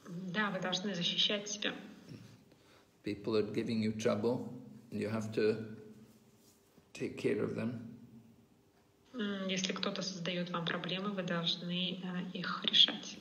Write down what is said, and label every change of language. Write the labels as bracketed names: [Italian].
[Russian] Да, вы должны защищать себя. [English] People are giving you trouble, and you have to take care of them. [Russian] Если кто-то создает вам проблемы, вы должны их решать.